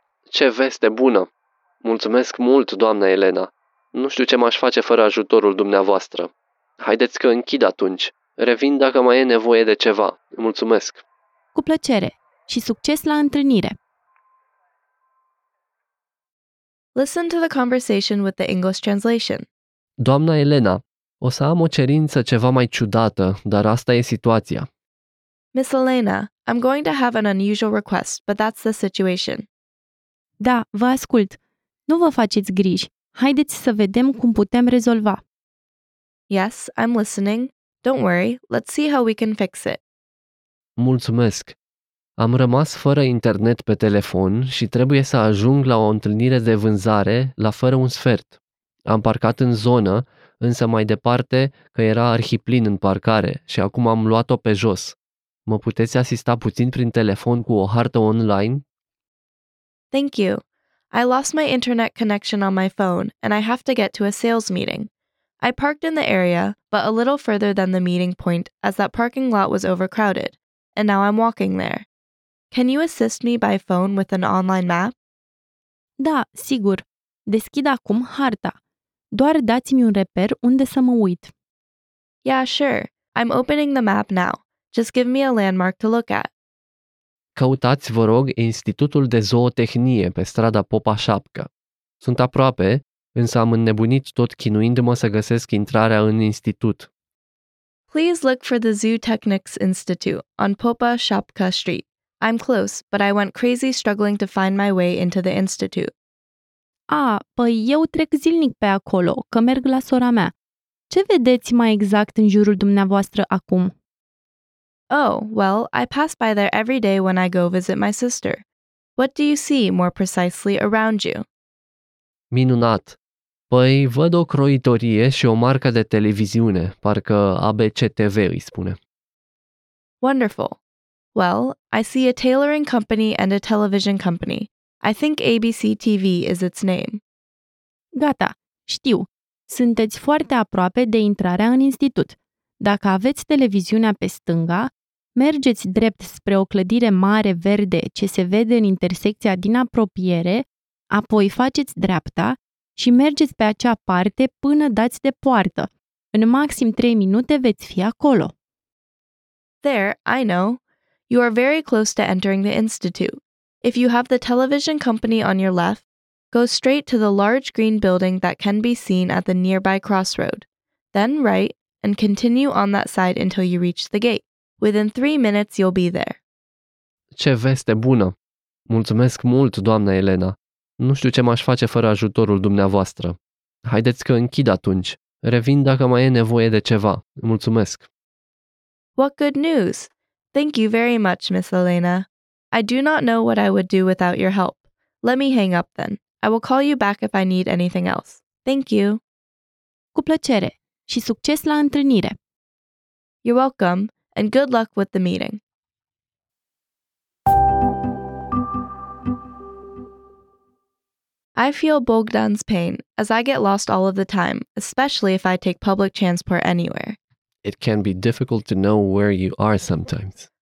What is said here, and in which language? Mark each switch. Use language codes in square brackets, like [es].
[ro] Ce veste bună! Mulțumesc mult, doamna Elena. Nu știu ce m-aș face fără ajutorul dumneavoastră. Haideți că închid atunci. Revin dacă mai e nevoie de ceva. Mulțumesc. Cu plăcere și succes la întâlnire. [en] Listen to the conversation with the English translation. [ro] Doamna Elena, o să am o cerință ceva mai ciudată, dar asta e situația. [en] Miss Elena, I'm going to have an unusual request, but that's the situation. [ro] Da, vă ascult. Nu vă faceți griji. Haideți să vedem cum putem rezolva. [en] Yes, I'm listening. Don't worry. Let's see how we can fix it. [ro] Mulțumesc. Am rămas fără internet pe telefon și trebuie să ajung la o întâlnire de vânzare la fără un sfert. Am parcat în zonă, însă mai departe că era arhiplin în parcare și acum am luat-o pe jos. Mă puteți asista puțin prin telefon cu o hartă online? [en] Thank you. I lost my internet connection on my phone and I have to get to a sales meeting. I parked in the area, but a little further than the meeting point as that parking lot was overcrowded, and now I'm walking there. Can you assist me by phone with an online map? [ro] Da, sigur. Deschid acum harta. Doar dați-mi un reper unde să mă uit. [en] Yeah, sure. I'm opening the map now. Just give me a landmark to look at. [ro] Căutați, vă rog, Institutul de Zootehnie pe strada Popa 7. Sunt aproape, însă am înnebunit tot chinuindu-mă să găsesc intrarea în institut. [en] Please look for the Zootechnics Institute on Popa 7 Street. I'm close, but I went crazy struggling to find my way into the institute. [ro] Ah, păi eu trec zilnic pe acolo, că merg la sora mea. Ce vedeți mai exact în jurul dumneavoastră acum? [en] Oh, well, I pass by there every day when I go visit my sister. What do you see, more precisely, around you? [ro] Minunat! Păi, văd o croitorie și o marcă de televiziune, parcă ABCTV îi spune. [en] Wonderful! Well, I see a tailoring company and a television company. I think ABC TV is its name. [ro] Gata, știu. Sunteți foarte aproape de intrarea în institut. Dacă aveți televiziunea pe stânga, mergeți drept spre o clădire mare verde ce se vede în intersecția din apropiere, apoi faceți dreapta și mergeți pe acea parte până dați de poartă. În maxim 3 minute veți fi acolo. [en] There, I know. You are very close to entering the institute. If you have the television company on your left, go straight to the large green building that can be seen at the nearby crossroad. Then right and continue on that side until you reach the gate. Within 3 minutes, you'll be there. [ro] Ce veste bună! Mulțumesc mult, doamna Elena. Nu știu ce m-aș face fără ajutorul dumneavoastră. Haideți că închid atunci. Revin dacă mai e nevoie de ceva. Mulțumesc. [en] What good news! Thank you very much, Miss Elena. I do not know what I would do without your help. Let me hang up then. I will call you back if I need anything else. Thank you. [ro] Cu plăcere și succes la întâlnire. [en] You're welcome and good luck with the meeting. I feel Bogdan's pain as I get lost all of the time, especially if I take public transport anywhere. It can be difficult to know where you are sometimes.